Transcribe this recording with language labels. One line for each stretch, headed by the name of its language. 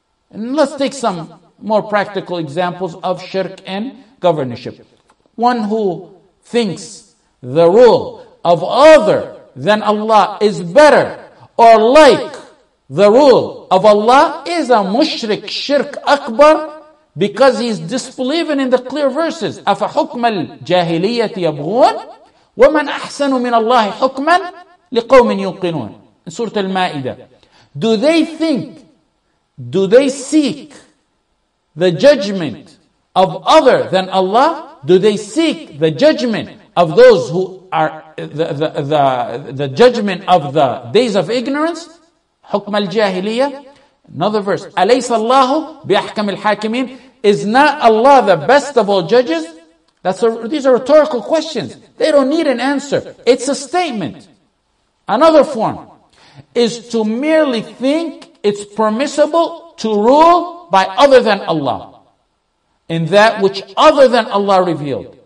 English: And let's take some more practical examples of shirk and governorship. One who thinks the rule of other than Allah is better or like the rule of Allah is a mushrik, shirk akbar, because he's disbelieving in the clear verses.
Arabic: أَفَحُكْمَ الْجَاهِلِيَّةِ يَبْغُونَ وَمَنْ أَحْسَنُ مِنَ اللَّهِ حُكْمًا لِقَوْمٍ يُوقِنُونَ Surah Al-Ma'idah.
English: Do they think, do they seek the judgment of other than Allah? Do they seek the judgment of those who are the judgment of the days of ignorance?
Arabic: حكم الجاهلية.
English: Another verse.
Arabic: أليس الله بأحكم الحاكمين.
English: Is not Allah the best of all judges? These are rhetorical questions. They don't need an answer. It's a statement. Another form is to merely think it's permissible to rule by other than Allah in that which other than Allah revealed.